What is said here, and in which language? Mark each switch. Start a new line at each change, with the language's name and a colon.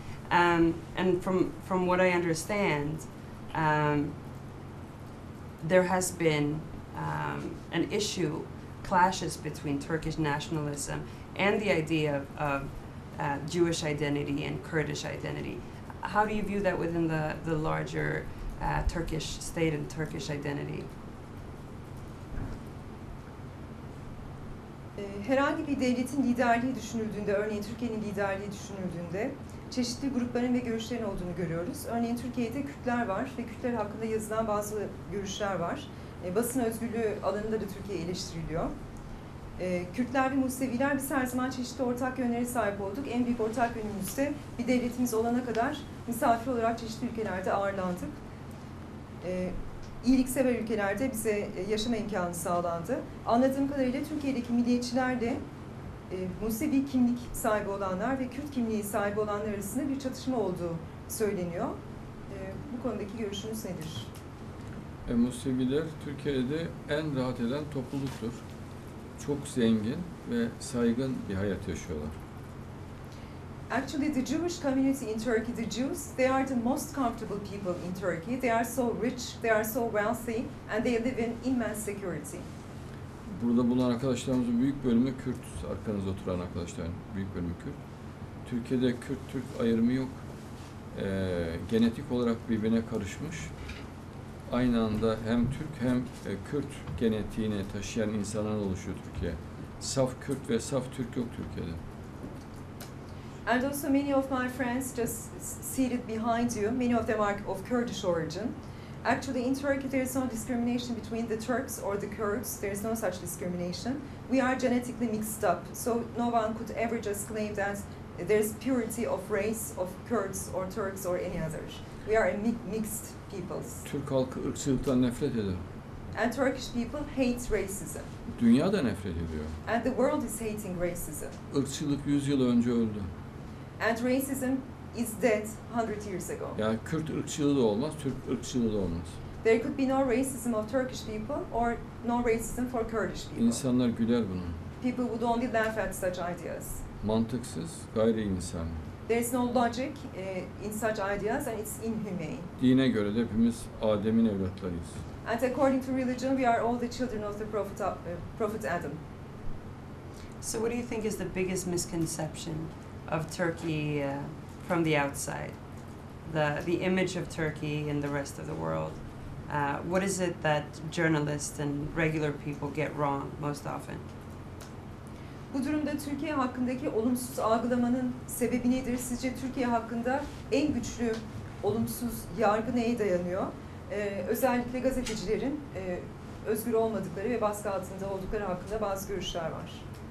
English: And from what I understand, there has been an issue, clashes between Turkish nationalism and the idea of Jewish identity and Kurdish identity. How do you view that within the larger Turkish state and Turkish identity?
Turkish: Herhangi bir devletin liderliği düşünüldüğünde, örneğin Türkiye'nin liderliği düşünüldüğünde, çeşitli grupların ve görüşlerin olduğunu görüyoruz. Örneğin Türkiye'de Kürtler var ve Kürtler hakkında yazılan bazı görüşler var. Basın özgürlüğü alanında da Türkiye eleştiriliyor. Kürtler ve Museviler biz her zaman çeşitli ortak yönlere sahip olduk. En büyük ortak yönümüz de bir devletimiz olana kadar misafir olarak çeşitli ülkelerde ağırlandık. İyiliksever ülkelerde bize yaşama imkanı sağlandı. Anladığım kadarıyla Türkiye'deki milliyetçiler de Musevi kimlik sahibi olanlar ve Kürt kimliği sahibi olanlar arasında bir çatışma olduğu söyleniyor. Bu konudaki görüşünüz nedir? Museviler Türkiye'de en rahat eden topluluktur. Çok zengin ve saygın bir hayat yaşıyorlar.
English: Actually, the Jewish community in Turkey, the Jews, they are the most comfortable people in Turkey. They are so rich, they are so wealthy, and they live in immense security.
Turkish: Burada bulunan arkadaşlarımızın büyük bölümü Kürt, arkanızda oturan arkadaşların büyük bölümü Kürt. Türkiye'de Kürt-Türk ayrımı yok. Genetik olarak birbirine karışmış. Aynı anda hem Türk hem Kürt genetiğini taşıyan insanlar oluşuyor Türkiye. Saf Kürt ve saf Türk yok Türkiye'de.
English: And also many of my friends just seated behind you, many of them are of Kurdish origin. Actually in Turkey there is no discrimination between the Turks or the Kurds. There is no such discrimination. We are genetically mixed up. So no one could ever just claim that there is purity of race of Kurds or Turks or any others. We are a mixed peoples.
Turkish: Türk halkı ırkçılıktan nefret ediyor.
English: And Turkish people hate racism.
Turkish: Dünya da nefret ediyor.
English: And the world is hating racism.
Turkish: Irkçılık 100 yıl önce öldü.
English: And racism is dead 100 years ago.
Turkish: Yani Kürt ırkçılığı da olmaz, Türk ırkçılığı da olmaz.
English: There could be no racism of Turkish people or no racism for Kurdish people.
Turkish: İnsanlar güler bunun.
English: People would only laugh at such ideas.
Turkish: Mantıksız, gayri insan.
English: There is no logic in such ideas and it's inhumane.
Turkish: Dine göre de hepimiz Adem'in evlatlarıyız.
English: And according to religion, we are all the children of the prophet, prophet Adam. So what do you think is the biggest misconception of Turkey from the outside? The image of Turkey in the rest of the world. What is it that journalists and regular people get wrong most often?
Turkish: Bu durumda Türkiye hakkındaki olumsuz algılamanın sebebi nedir? Sizce Türkiye hakkında en güçlü olumsuz yargı neye dayanıyor? Özellikle gazetecilerin özgür olmadıkları ve baskı altında oldukları hakkında bazı görüşler var.